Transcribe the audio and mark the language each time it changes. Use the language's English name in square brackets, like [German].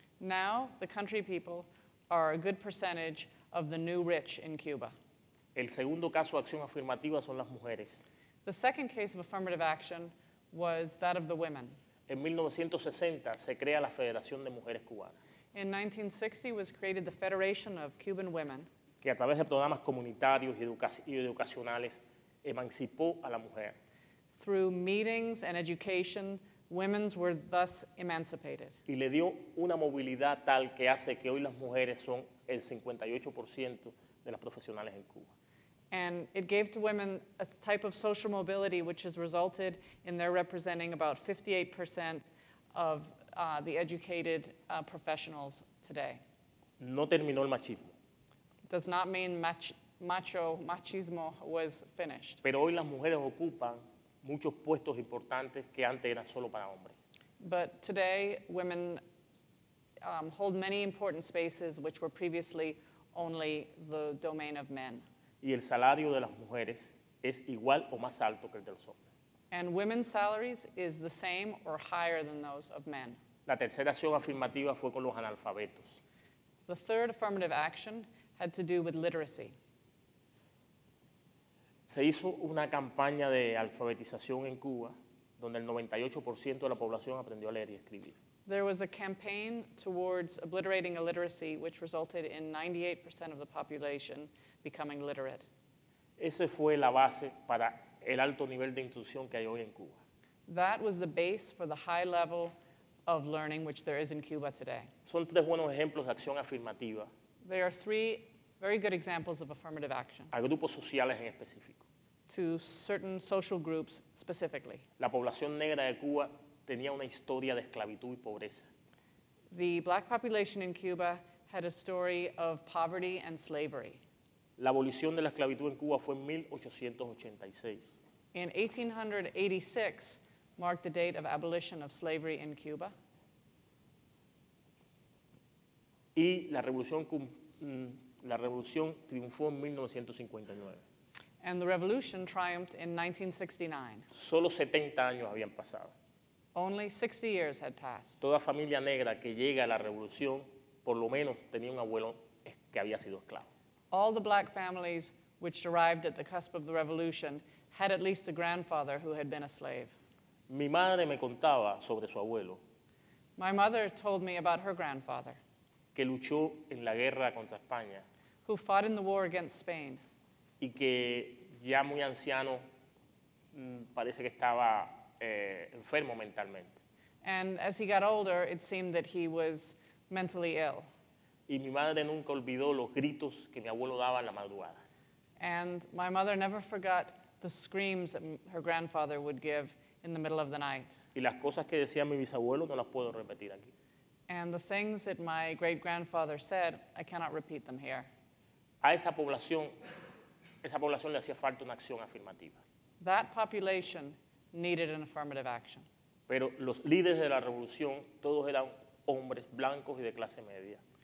[English] Now the country people are a good percentage of the new rich in Cuba. [Spanish] El segundo caso de acción afirmativa son las mujeres. [English] The second case of affirmative action was that of the women. [Spanish] En 1960 se crea la Federación de Mujeres Cubanas. [English] In 1960 was created the Federation of Cuban Women. [Spanish] Que a través de programas comunitarios y educacionales emancipó a la mujer. [English] Through meetings and education, women were thus emancipated. [Spanish] Y le dio una movilidad tal que hace que hoy las mujeres son el 58% de las profesionales en Cuba. [English] And it gave to women a type of social mobility which has resulted in their representing about 58% of the educated professionals today. [Spanish] No terminó el machismo. [English] Does not mean machismo was finished. [Spanish] Pero hoy las mujeres ocupan muchos puestos importantes que antes eran solo para hombres. [English] But today, women hold many important spaces which were previously only the domain of men. [Spanish] Y el salario de las mujeres es igual o más alto que el de los hombres. [English] And women's salaries is the same or higher than those of men. [Spanish] La tercera acción afirmativa fue con los analfabetos. [English] The third affirmative action had to do with literacy. [Spanish] Se hizo una campaña de alfabetización en Cuba donde el 98% de la población aprendió a leer y escribir. [English] There was a campaign towards obliterating illiteracy which resulted in 98% of the population becoming literate. [Spanish] Ese fue la base para el alto nivel de instrucción que hay hoy en Cuba. [English] That was the base for the high level of learning which there is in Cuba today. [Spanish] Son tres buenos ejemplos de acción afirmativa. [English] There are three very good examples of affirmative action. [Spanish] A grupos sociales en específico. [English] To certain social groups specifically. [Spanish] La población negra de Cuba tenía una historia de esclavitud y pobreza. [English] The black population in Cuba had a story of poverty and slavery. [Spanish] La abolición de la esclavitud en Cuba fue en 1886. [English] In 1886 marked the date of abolition of slavery in Cuba. [Spanish] Y la revolución triunfó en 1959. [English] And the revolution triumphed in 1969. [Spanish] Solo 70 años habían pasado. [English] Only 60 years had passed. [Spanish] Toda familia negra que llega a la revolución por lo menos tenía un abuelo que había sido esclavo. [English] All the black families which arrived at the cusp of the revolution had at least a grandfather who had been a slave. [Spanish] Mi madre me contaba sobre su abuelo. [English] My mother told me about her grandfather. [Spanish] Que luchó en la guerra contra España. [English] Who fought in the war against Spain. [Spanish] Y que ya muy anciano parece que estaba enfermo mentalmente. [English] And as he got older, it seemed that he was mentally ill. [Spanish] Y mi madre nunca olvidó los gritos que mi abuelo daba en la madrugada. [English] And my mother never forgot the screams that her grandfather would give in the middle of the night. [Spanish] Y las cosas que decía mi bisabuelo no las puedo repetir aquí. [English] And the things that my great-grandfather said, I cannot repeat them here. [Spanish] A esa población le hacía falta una acción afirmativa. [English] That population needed an affirmative action. [Spanish] Pero los líderes de la revolución, todos eran hombres blancos y de clase media.